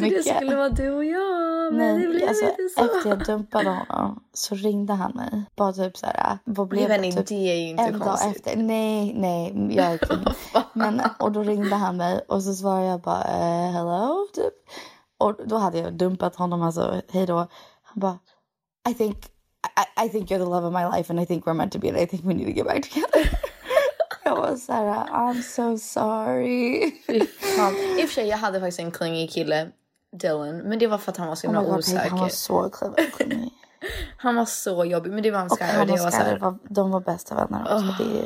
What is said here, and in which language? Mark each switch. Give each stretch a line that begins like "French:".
Swedish: Trodde det skulle vara du och jag, men det blev alltså, inte så. Efter jag dumpade honom så ringde han mig. Bara typ så här. Vad blev det? Det är ju inte konstigt. En dag efter. Nej, jag är clingy. Men, och då ringde han mig och så svarade jag bara, hello, typ. Och då hade jag dumpat honom, alltså, hej då.
English: Han bara, I think you're the love of my life and I think we're meant to be and I think we need to get back together.
Swedish: Jag var såhär,
English: I'm so sorry.
Swedish: I och för sig, jag hade faktiskt en clingy kille, Dylan, men det var för att han var så himla osäker. Han var så clever och clingy. Han var så jobbig, men det var en skär. Och han var skär, de var bästa vänner också.